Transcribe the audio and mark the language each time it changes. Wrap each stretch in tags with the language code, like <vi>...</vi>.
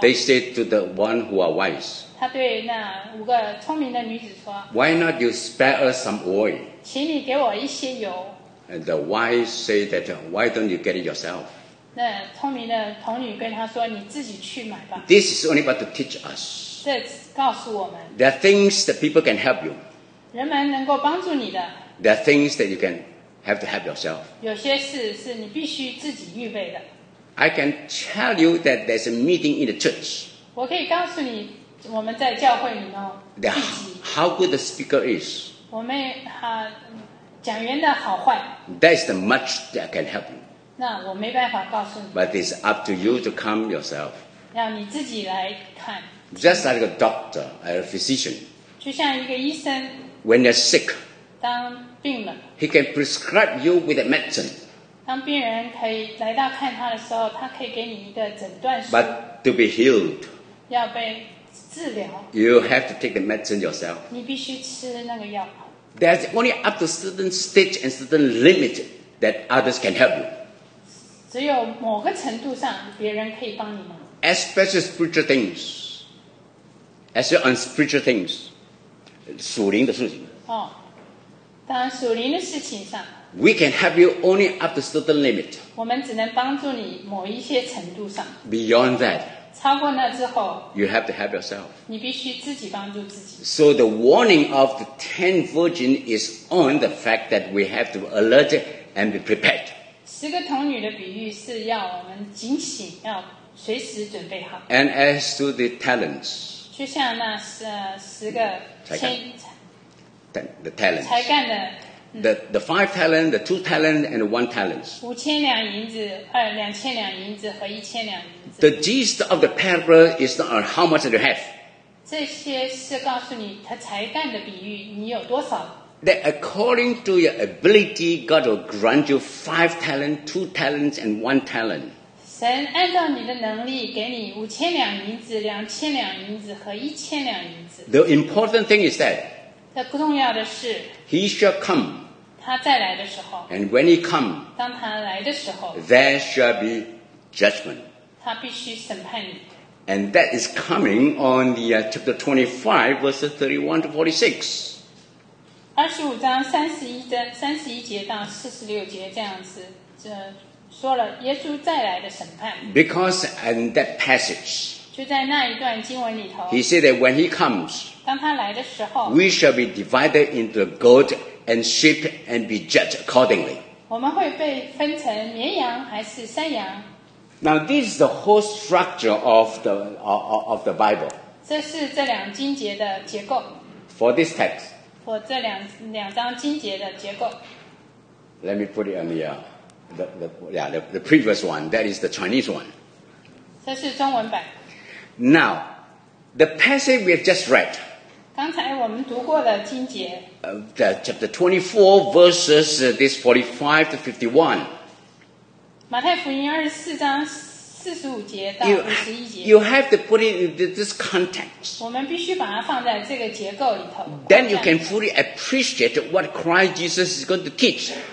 <en>They say to the one who are wise.</en> <zh>他对那五个聪明的女子说。</zh> <en>Why not you spare us some oil?</en> <zh>请你给我一些油。</zh> <en>And the wise say that, why don't you get it yourself?</en> <zh>那聪明的童女跟他说，你自己去买吧。</zh> <en>This is only about to teach us.</en> <zh>这告诉我们。</zh> <en>There are things that people can help you.</en> <zh>人们能够帮助你的。</zh> <en>There are things that you can have to help yourself.</en> <zh>有些事是你必须自己预备的。</zh> <en>I can tell you that there's a meeting in the church.</en> <zh>我可以告诉你，我们在教会里面聚集。</zh> <en>How good the speaker is.</en> <zh>我们他。讲员的好坏</zh> <en>That's the much that can help you.</en> <zh>那我没办法告诉你</zh> <en>But it's up to you to come yourself.</en> <zh>要你自己来看</zh> <en>Just like a doctor, a physician.</en> <zh>就像一个医生</zh> <en>When you're sick.</en> <zh>当病了</zh> <en>He can prescribe you with a medicine.</en> <zh>当病人可以来到看他的时候他可以给你一个诊断书</zh> <en>But to be healed.</en> <zh>要被治疗</zh> <en>You have to take the medicine yourself.</en> <zh>你必须吃那个药</zh> <en>There's only up to certain stage and certain limit that others can help you.</en> <zh>只有某个程度上别人可以帮你吗</zh> <en>Especially spiritual things. Especially on spiritual things.</en> <zh>属灵的事情。哦，当属灵的事情上。</zh> <en>We can help you only up to certain limit.</en> <zh>我们只能帮助你某一些程度上。</zh> <en>Beyond that.</en> <zh>超过那之后。</zh> <en>You have to help yourself.</en> <zh>你必须自己帮助自己。</zh> <en>So the warning of the 10 virgins is on the fact that we have to alert and be prepared.</en> <zh>十个童女的比喻是要我们警醒，要随时准备好。</zh> <en>And as to the talents.</en> <zh>就像那十个才干。</zh> <en>The talents.</en> <zh>才干的。</zh> <en>The five talents, the two talents, and the one talents.</en> <zh>五千两银子，两千两银子和一千两银子。</zh> <en>The gist of the parable is not on how much you have.</en> <zh>这些是告诉你他才干的比喻，你有多少。</zh> <en>That according to your ability, God will grant you five talents, two talents, and one talent.</en> <zh>神按照你的能力给你五千两银子，两千两银子和一千两银子。</zh> <en>The important thing is that.</en> <zh>这不重要的是。</zh> <en>He shall come.</en> <zh>他再来的时候。</zh> <en>And when he come.</en> <zh>当他来的时候。</zh> <en>There shall be judgment.</en> <zh>他必须审判你。</zh> <en>And that is coming on the chapter 25, verses 31 to 46.</en> <zh>25章31节到46节这样子，说了耶稣再来的审判。</zh> <en>Because in that passage.</en> <zh>就在那一段经文里头。</zh> <en>He said that when he comes.</en> <zh>当他来的时候。</zh> <en>We shall be divided into goat and sheep and be judged accordingly.</en> <zh>我们会被分成绵羊还是山羊。</zh> <en>Now this is the whole structure of the Bible.</en> <zh>这是这两经节的结构。</zh> <en>For this text.</en> <zh>For 这两章经节的结构。</zh> <en>Let me put it on the previous one. That is the Chinese one.</en> <zh>这是中文版。</zh> <en>Now, the passage we have just read.</en> <zh>刚才我们读过的经节。</zh> <en>The chapter 24 verses this 45 to 51.</en> <zh>马太福音二十四章四十五节到五十一节。</zh> <en>You have to put it in this context.</en> <zh>我们必须把它放在这个结构里头。</zh> <en>Then you can fully appreciate what Christ Jesus is going to teach.</en>